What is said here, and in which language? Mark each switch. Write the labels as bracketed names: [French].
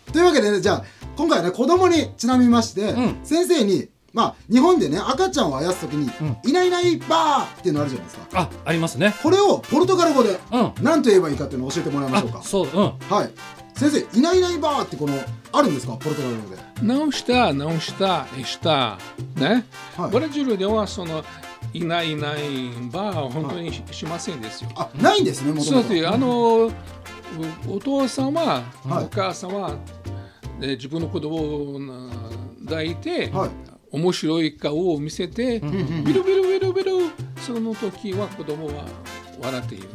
[Japanese] というわけで、ね、じゃあ今回は、ね、子供にちなみまして、うん、先生に、まあ、日本でね赤ちゃんをあやすときに、うん、いないいないばーっていうのあるじゃないですか。あ、ありますね。これをポルトガル語で何と言えばいいかっていうのを教えてもらいましょうか。あ、そう、うん、はい、先生、いないいないばーってこのあるんですか、ポルトガル語で。 [Portuguese] Não está, não está, está, né? [Japanese] ブラジルではそのいないいないばーは本当に、はい、しませんですよ。あ、ないんですね、元々。そうです、あの、お父さんは、はい、お母さんは、ね、自分の子供を抱いて、はい、面白い顔を見せて、ビルビルビルビル、その時は子供は笑っている。